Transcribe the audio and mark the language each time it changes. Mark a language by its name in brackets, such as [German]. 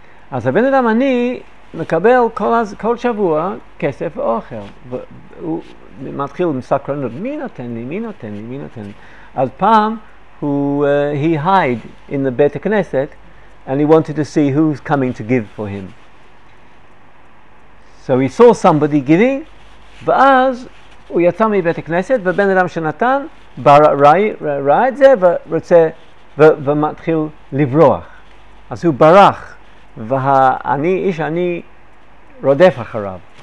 [Hebrew] אז הבן אדם עני מקבל כל שבוע כסף ואוכל, והוא מתחיל עם סקרנות, מי נתן לי? אז פעם [English] he hid in the Beit HaKnesset and he wanted to see who's coming to give for him. So he saw somebody giving, [Hebrew] ואז הוא יצא מבית הכנסת, ובן אדם שנתן ראה את זה ומתחיל לברוח. אז הוא ברח, איש אני רודף אחריו.